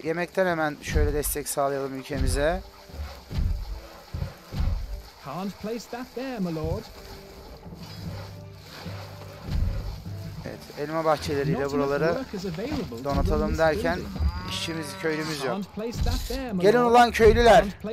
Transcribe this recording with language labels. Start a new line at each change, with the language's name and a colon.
Turkish: Yemekten hemen şöyle destek sağlayalım ülkemize.
English: Can't place that there, my lord.
Turkish: Evet, elma bahçeleriyle buraları donatalım derken işçimiz, köylümüz yok. Gelin ulan köylüler.